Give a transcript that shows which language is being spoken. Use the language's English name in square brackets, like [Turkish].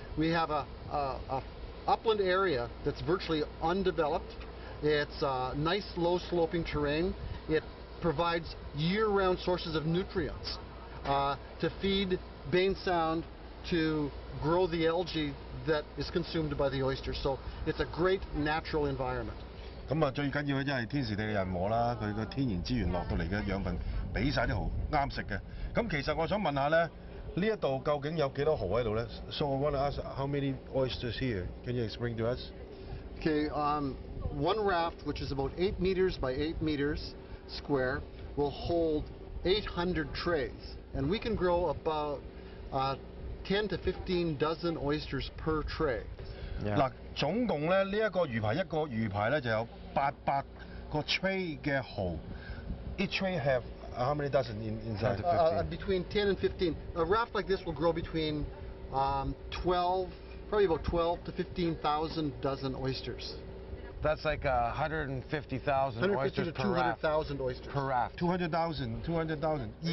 [English] We have a upland area that's virtually undeveloped. It's nice low sloping terrain. It provides year-round sources of nutrients to feed Bain Sound to grow the algae that is consumed by the oyster. So it's a great natural environment. [Cantonese] 咁啊，最緊要咧，即係天時地利人和啦。佢個天然資源落到嚟嘅養分，俾曬啲蠔啱食嘅。咁其實我想問下咧，呢一度究竟有幾多蠔喺度咧 [English] ？So I want to ask, how many oysters here? Can you explain to us? Okay, one raft, which is about 8 meters by 8 meters square, will hold 800 trays, and we can grow about 10 to 15 dozen oysters per tray. [Cantonese] 嗱，總共咧呢一個魚排，一個魚排咧就有800個 tray 嘅蠔。 [English] Each tray have how many dozen inside? Between 10 and 15. A raft like this will grow between 12 to 15,000 dozen oysters. That's like 150,000 oysters per raft. 200,000. 20,000.